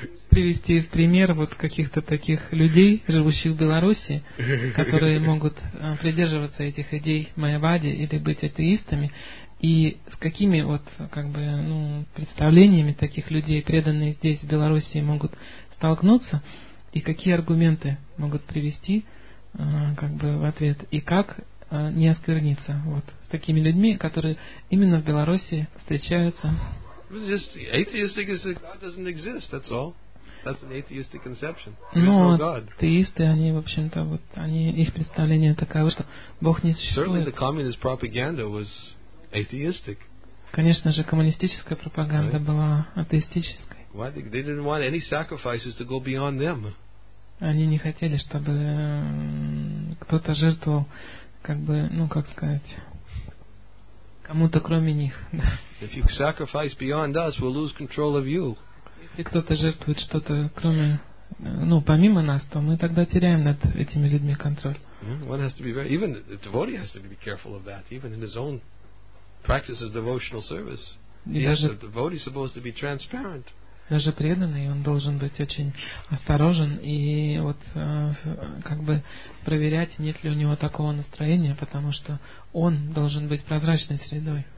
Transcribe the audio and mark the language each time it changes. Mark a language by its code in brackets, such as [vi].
[ru] Привести в пример вот каких-то таких людей, живущих в Беларуси, которые могут придерживаться этих идей Майавади или быть атеистами, и с какими вот как бы представлениями таких людей, преданные здесь, в Беларуси, могут столкнуться, и какие аргументы могут привести в ответ, и как не оскверниться вот с такими людьми, которые именно в Беларуси встречаются. [en] Just atheistic is that God doesn't exist, that's all. That's an atheistic conception. [ru] Атеисты, они, в общем-то, вот они, их представление такое, что Бог не существует. [en] Certainly the communist propaganda was atheistic. [ru] Конечно же, коммунистическая пропаганда была атеистической. [en] Why? They didn't want any sacrifices to go beyond them. [ru] Они не хотели, чтобы кто-то жертвовал, как бы, ну, как сказать, кому-то кроме них. [en] If you sacrifice beyond us, we'll lose control of you. [ru] Если кто-то жертвует что-то кроме, ну, помимо нас, то мы тогда теряем над этими людьми контроль. [en] One has to be very, even the devotee has to be careful of that, even in his own practice of devotional service. The devotee is supposed to be transparent. [ru] Даже преданный, он должен быть очень осторожен и вот как бы проверять, нет ли у него такого настроения, потому что он должен быть прозрачной средой.